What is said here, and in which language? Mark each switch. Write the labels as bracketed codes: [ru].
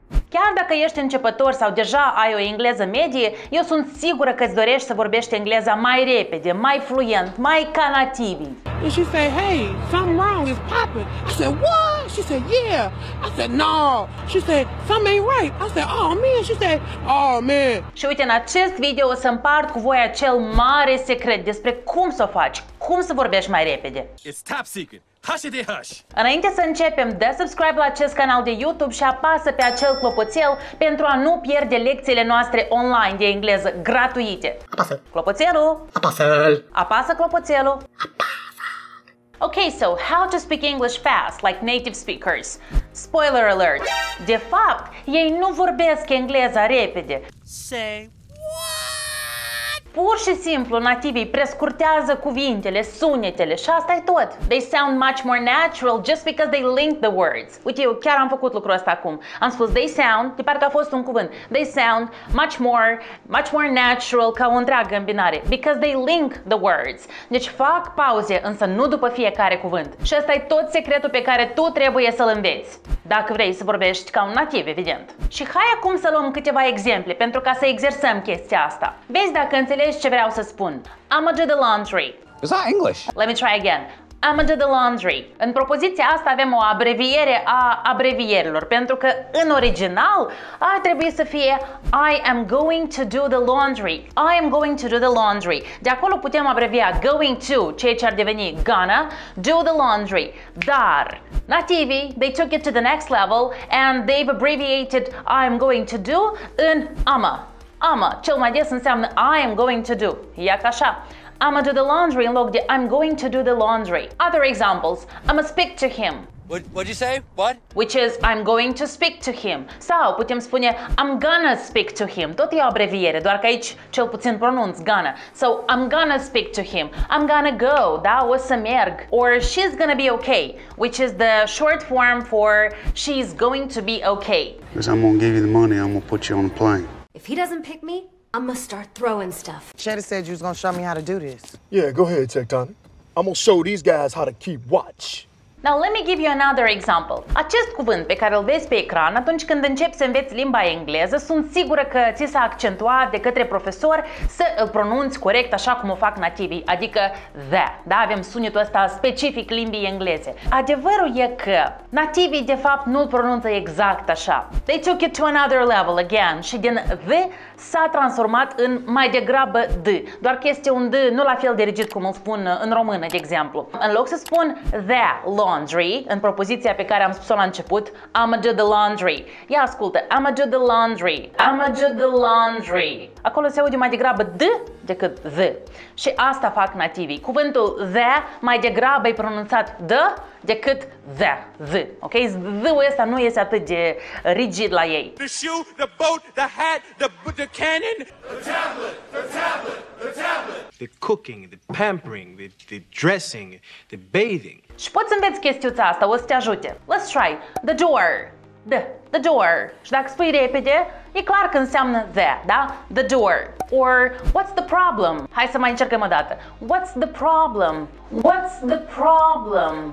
[ro] Chiar dacă ești începător sau deja ai o engleză medie, eu sunt sigură că îți dorești să vorbești engleza mai repede, mai fluent, mai ca nativii. [en] And she said, hey, something wrong is popping. I said, what? She said, yeah. I said, no. She said, something ain't right. I said, oh, man. She said, oh, man. [ro] Și uite, în acest video o să împart cu voi acel mare secret despre cum să o faci, cum să vorbești mai repede. [en] It's top secret. Hush. [ro] Înainte să începem, dă subscribe la acest canal de YouTube și apasă pe acel clopoțel pentru a nu pierde lecțiile noastre online de engleză gratuite. Apasă. Clopoțelul. Apasă. Apasă clopoțelul. Apasă. [en] Okay, so how to speak English fast like native speakers. Spoiler alert. [ro] De fapt, ei nu vorbesc engleza repede. [en] Say [ro] pur și simplu, nativii prescurtează cuvintele, sunetele și asta e tot. [en] They sound much more natural just because they link the words. [ro] Uite, eu chiar am făcut lucrul ăsta acum. Am spus [en] they sound, [ro] de parcă a fost un cuvânt. [en] They sound much more natural [ro] ca o întreagă îmbinare. [en] Because they link the words. [ro] Deci fac pauze, însă nu după fiecare cuvânt. Și ăsta e tot secretul pe care tu trebuie să-l înveți. Dacă vrei să vorbești ca un nativ, evident. Și hai acum să luăm câteva exemple pentru ca să exersăm chestia asta. Vezi dacă înțelegi ce vreau să spun. [en] I'ma do the laundry. Is that English? Let me try again. I'ma do the laundry. [ro] În propoziția asta avem o abreviere a abrevierilor, pentru că în original ar trebui să fie [en] I am going to do the laundry. I am going to do the laundry. [ro] De acolo putem abrevia [en] going to, [ro] ceea ce ar deveni [en] gonna, do the laundry. [ro] Dar nativi, [en] they took it to the next level and they've abbreviated I am going to do in ama. Ama, [ro] cel mai des înseamnă [en] I am going to do. [ro] Ia ca așa. [en] I'ma do the laundry [ro] în loc de [en] I'm going to do the laundry. Other examples. I'ma speak to him. What'd you say? What? Which is I'm going to speak to him. [ro] Sau putem spune [en] I'm gonna speak to him. [ro] Tot e o abreviere, doar că aici cel puțin pronunț gonna. [en] So I'm gonna speak to him. I'm gonna go. [ro] Da, o să merg. [en] Or she's gonna be okay. Which is the short form for she's going to be okay. Because I'm gonna give you the money, I'm gonna put you on a plane. If he doesn't pick me, I'ma start throwing stuff. Shetty said you was gonna show me how to do this. Yeah, go ahead, Tectonic. I'ma show these guys how to keep watch. Now let me give you another example. [ro] Acest cuvânt pe care îl vezi pe ecran atunci când începi să înveți limba engleză, sunt sigură că ți s-a accentuat de către profesor să îl pronunți corect așa cum o fac nativii, adică the. Da, avem sunetul ăsta specific limbii engleze. Adevărul e că nativii de fapt nu-l pronunță exact așa. [en] They took it to another level again [ro] și din the s-a transformat în mai degrabă d. Doar că este un d nu la fel de rigid cum îl spun în română, de exemplu. În loc să spun the laundry, în propoziția pe care am spus-o la început, [en] I'ma do the laundry. [ro] Ia ascultă, [en] I'ma do the laundry. I'ma do the laundry. [ro] Acolo se aude mai degrabă d decât the. Și asta fac nativii. Cuvântul the mai degrabă e pronunțat d decât the. The. Ok? The-ul ăsta nu este atât de rigid la ei. [en] The shoe, the boat, the hat, the cannon. The tablet, the tablet, the tablet. The cooking, the pampering, the dressing, the bathing. [ro] Și poți înveți chestiuța asta, o să te ajute. [en] Let's try. The door. The door. [ro] Și dacă spui repede, e clar că înseamnă the, da? The door. [en] Or, what's the problem? [ro] Hai să mai încercăm o dată. [en] What's the problem? What's the problem?